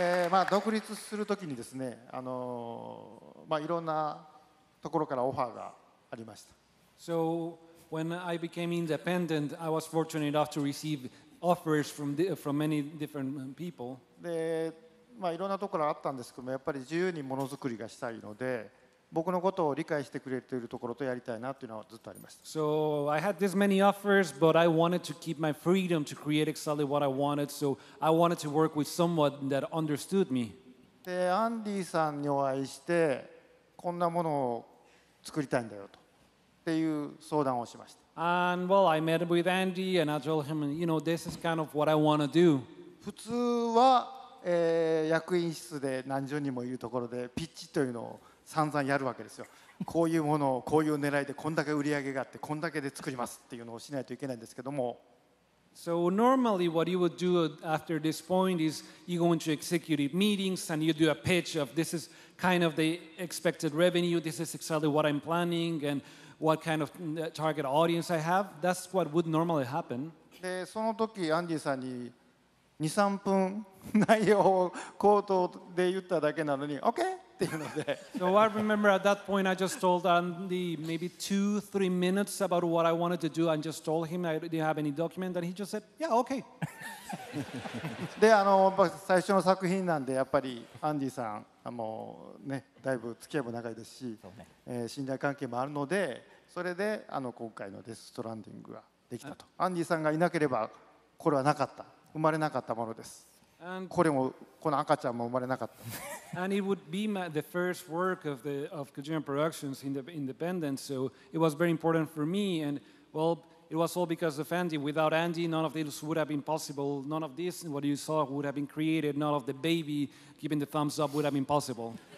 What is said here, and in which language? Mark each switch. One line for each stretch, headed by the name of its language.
Japanese: まあ独立するときにですね、まあいろんなところからオファーがありました。
English: So when I became independent, I was fortunate enough to receive offers from many different people.
Japanese: で、まあいろんなところあったんですけども、やっぱり自由にものづくりがしたいので、僕のことを理解してくれているところとやりたいなというのはずっとありました。
English: So I had this many offers, but I wanted to keep my freedom to create exactly what I wanted. So I wanted to work with someone that understood me.
Japanese: で、アンディさんにお会いして。こんなものを作りたいんだよとっていう相談をしました。
English: And well, I met with Andy and I told him, you know, this is kind of what I want to do.
Japanese: 普通は、役員室で何十人もいるところでピッチというのを散々やるわけですよ。こういうものをこういう狙いでこんだけ売り上げがあってこんだけで作りますっていうのをしないといけないんですけども。
English: So normally what you would do after this point is you go into executive meetings and you do a pitch of this is kind of the expected revenue, this is exactly what I'm planning and what kind of target audience I have. That's what would normally happen.
Japanese: で、その時アンディさんに 2-3 分内容を口頭で言っただけなのに OK っていうので。
English: So I remember at that point I just told Andy maybe 2-3 minutes about what I wanted to do and just told him I didn't have any document and he just said, yeah, OK.
Japanese: で、最初の作品なんでやっぱりアンディさんもうね、だいぶ付き合いも長いですし、信頼関係もあるので、それで今回のデスストランディングができたと。アンディさんがいなければこれはなかった、生まれなかったものです。これもこの赤ちゃんも生まれなかった。
English: And it would be the first work of Kojima Productions in the independence, so it was very important for me. And well, it was all because of Andy. Without Andy, none of this would have been possible. None of this, what you saw, would have been created. None of the baby giving the thumbs up would have been possible.